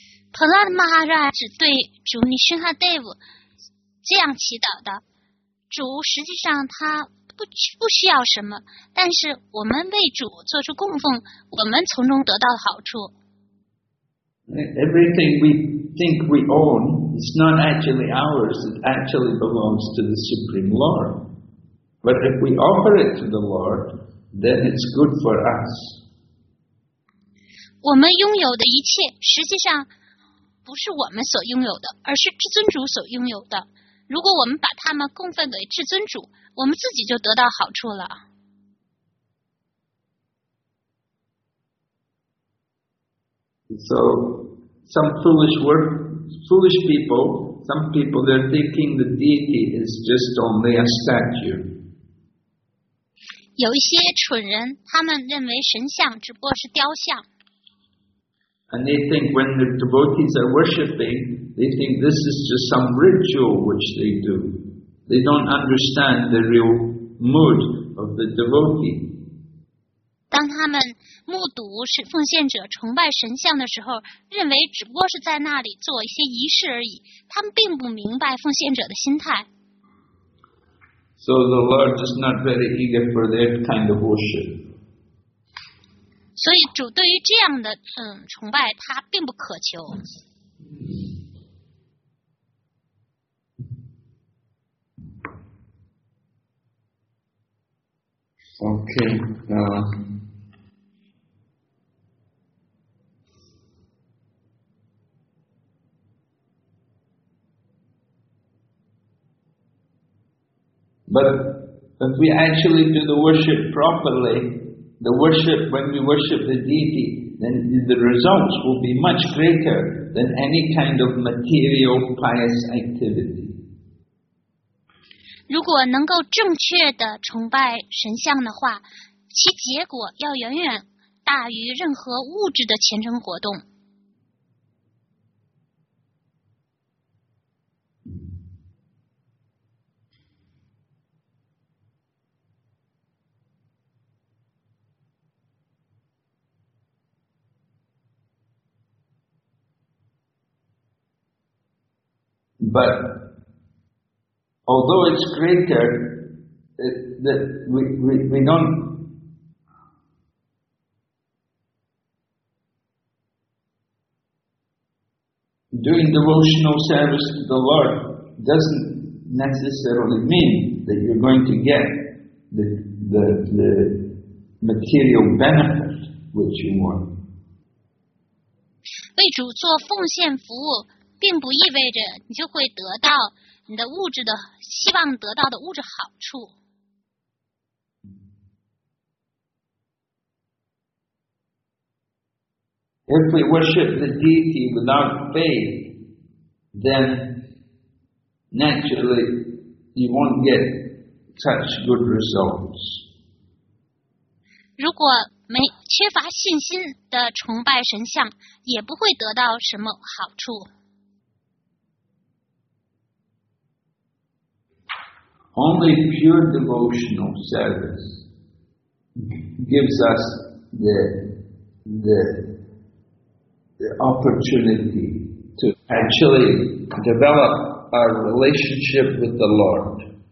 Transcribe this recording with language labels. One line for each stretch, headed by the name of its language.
Chinese: Prahlad Maharaj 对主尼辛哈德夫这样祈祷的，主实际上他不需要什么，但是我们为主做出供奉，我们从中得到好处。
English: Everything we think we own is not actually ours, it actually belongs to the Supreme Lord. But if we offer it to the Lord, then it's good for us.
Chinese: 我们拥有的一切实际上不是我们所拥有的，而是至尊主所拥有的。如果我们把它们供奉给至尊主，我们自己就得到好处了。
English: So, some foolish people, some people, they're thinking the deity is just only a statue.
Chinese: 有一些蠢人，他们认为神像只不过是雕像。
English: And they think when the devotees are worshipping, they think this is just some ritual which they do. They don't understand the real mood of the devotee.
Chinese: 当他们目睹是奉献者崇拜神像的时候，认为只不过是在那里做一些仪式而已，他们并不明白奉献者的心态。
English: So the Lord is not very eager for that kind of worship.
Chinese: 所以主对于这样的崇拜他并不渴求。
English: Okay, but if we actually do the worship properly, the worship, when we worship the deity, then the results will be much greater than any kind of material pious activity.
Chinese: 如果能够正确的崇拜神像的话，其结果要远远大于任何物质的虔诚活动。
English: But although it's greater, we don't. Doing devotional service to the Lord doesn't necessarily mean that you're going to get the material benefit which you want.
Chinese: 为主做奉献服务并不意味着你就会得到你的物质的希望得到的物质好处。
English: If we worship the deity without faith, then naturally you won't get such good results.
Chinese: 如果没缺乏信心的崇拜神像，也不会得到什么好处。
English: Only pure devotional service gives us the opportunity to actually develop our relationship with the Lord.